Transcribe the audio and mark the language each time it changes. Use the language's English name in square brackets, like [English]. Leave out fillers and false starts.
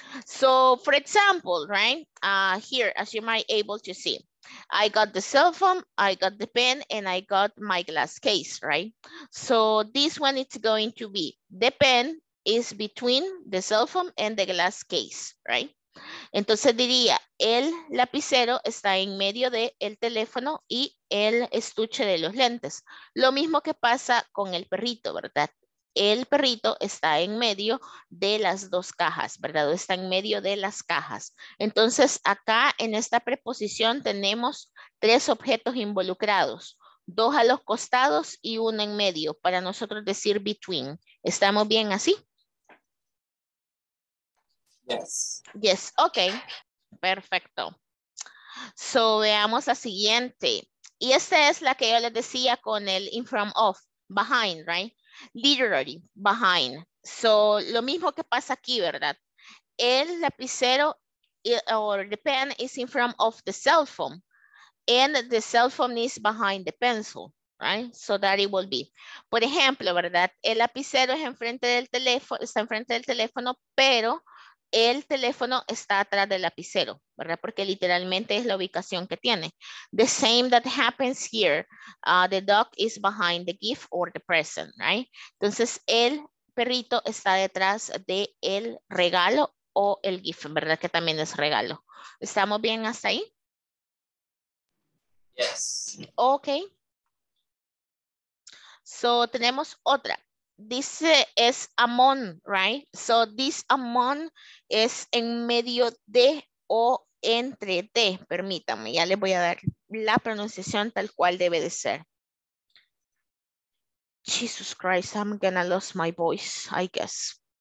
[English] So for example, right? Here, as you might be able to see, I got the cell phone, I got the pen, and I got my glass case, right? So this one, it's going to be the pen, is between the cell phone and the glass case, right? [Spanish] Entonces diría, el lapicero está en medio de el teléfono y el estuche de los lentes. Lo mismo que pasa con el perrito, ¿verdad? El perrito está en medio de las dos cajas, ¿verdad? O está en medio de las cajas. Entonces acá en esta preposición tenemos tres objetos involucrados. Dos a los costados y uno en medio, para nosotros decir between. ¿Estamos bien así? [English] Yes. [Spanish] Yes, okay. Perfecto. So, veamos la siguiente. Y esta es la que yo les decía con el [English] in front of, behind, right? Literally, behind. [Spanish] So, lo mismo que pasa aquí, ¿verdad? El lapicero [English] or the pen is in front of the cell phone. And the cell phone is behind the pencil, right? So that it will be. [Spanish] Por ejemplo, ¿verdad? El lapicero es enfrente del teléfono, está enfrente del teléfono, pero el teléfono está atrás del lapicero, ¿verdad? Porque literalmente es la ubicación que tiene. [English] The same that happens here. The dog is behind the gift or the present, right? [Spanish] Entonces, el perrito está detrás del regalo o el gift, ¿verdad? Que también es regalo. ¿Estamos bien hasta ahí? [English] Yes. Okay. So, [Spanish] tenemos otra. [English] This is among, right? [Spanish] So, this among es en medio de o entre de. Permítanme, ya les voy a dar la pronunciación tal cual debe de ser. [English] Jesus Christ, I'm gonna lose my voice, I guess.